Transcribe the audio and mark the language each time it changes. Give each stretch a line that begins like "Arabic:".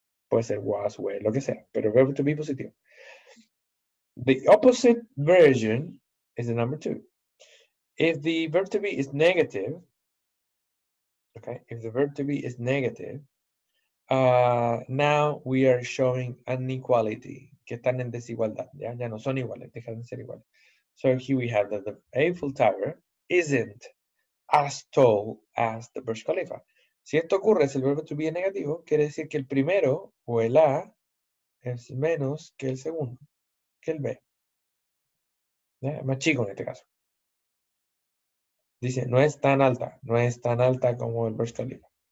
Spanish: Puede ser was, were, lo que sea. Pero verbo to be positivo.
English: The opposite version is the number two. If the verb to be is negative, okay, if the verb to be is negative, now we are showing an equality.
Spanish: Que están en desigualdad. Ya, ya no son iguales, dejan de ser iguales.
English: So here we have that the Eiffel Tower isn't as tall as the Burj Khalifa.
Spanish: Si esto ocurre, si el verbo to be es negativo, quiere decir que el primero, o el A, es menos que el segundo, que el B. ¿Ya? Más chico en este caso. Dice, no es tan alta, no es tan alta como el Burj Khalifa.